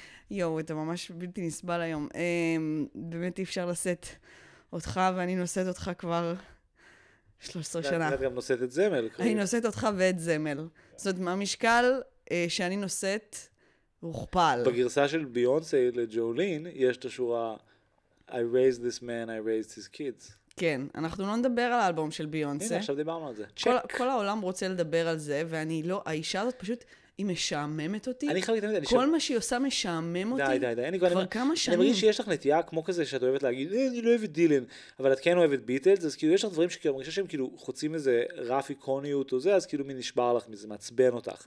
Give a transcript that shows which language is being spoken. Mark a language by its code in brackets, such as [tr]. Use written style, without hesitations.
[he] יואו, אתה ממש בלתי נסבל היום. באמת אי אפשר לשאת אותך, ואני נוסעת אותך כבר 13 שנה. את גם נוסעת את זמל. אני נוסעת אותך ואת זמל. זאת אומרת, המשקל שאני נוסעת הוכפל. בגרסה של ביונסה לג'ולין, יש את השורה [en] I raised this man, I raised his kids. [he] כן, אנחנו לא נדבר על האלבום של ביונסה. הנה, עכשיו דיברנו על זה. כל העולם רוצה לדבר על זה, ואני לא, האישה הזאת פשוט, היא משעממת אותי. אני חלק את האמת, כל מה שהיא עושה משעמם אותי. די, די, די. כבר כמה שנים. אני מרגיש שיש לך נטייה כמו כזה שאת אוהבת להגיד, אני לא אוהבת דילן, אבל את כן אוהבת ביטלס, אז כאילו יש לך דברים שכאילו, אני חושב שהם כאילו חוצים איזה רף איקוניות או זה, אז כאילו מי נשבר לך מזה, מעצבן אותך.